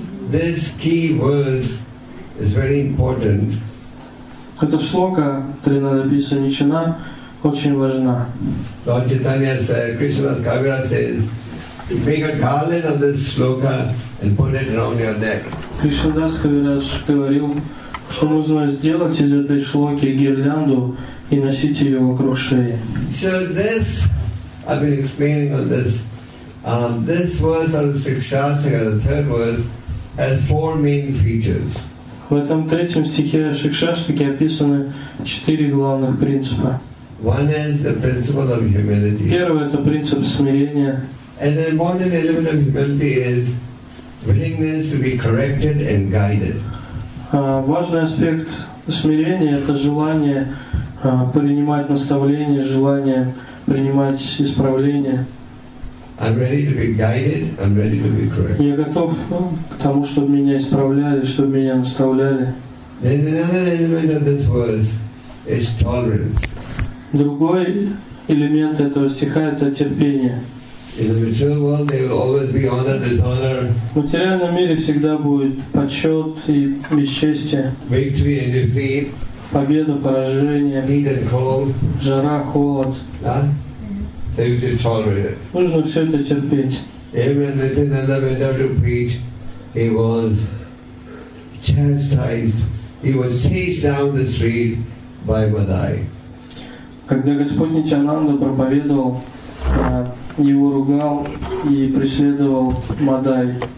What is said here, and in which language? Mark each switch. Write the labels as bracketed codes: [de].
[en] This key verse is very important. [ru] Эта шлока, Tinanda Bisanichana, очень важна. [en] Lord Chaitanya says, Krishna's Kavira says, make a garland of this shloka and put it around your neck. [ru] Кришнадас Кавирадж говорил, что нужно сделать из этой шлоки гирлянду и носить ее вокруг шеи. [en] So this, I've been explaining on this. This verse of Shikshasaka, the third verse, has four main features. [ru] В этом третьем стихе Шикшаштаки описаны четыре главных принципа. [en] One is the principle of humility. [ru] Первое – это принцип смирения. [en] And then one of the elements of humility is willingness to be corrected and guided. [ru] Важный аспект смирения – это желание принимать наставления, желание принимать исправления. [en] I'm ready to be guided, I'm ready to be corrected. [ru] Я готов к тому, чтобы меня исправляли, чтобы меня наставляли. [en] Then another element of this verse is tolerance. [ru] Другой элемент этого стиха – это терпение. [en] In the material world, there will always be honor, dishonor. [ru] В материальном мире всегда будет почет и бесчестие. [en] Victory and defeat. [ru] Победа, поражение. [en] Heat and cold. [ru] Жара, холод. Да? [en] You should tolerate it. [ru] Нужно все это терпеть. [en] Even Nityananda went out to preach, he was chastised. He was chased down the street by Madai. [ru] Когда Господь Нитянанда проповедовал, его ругал и преследовал Мадай.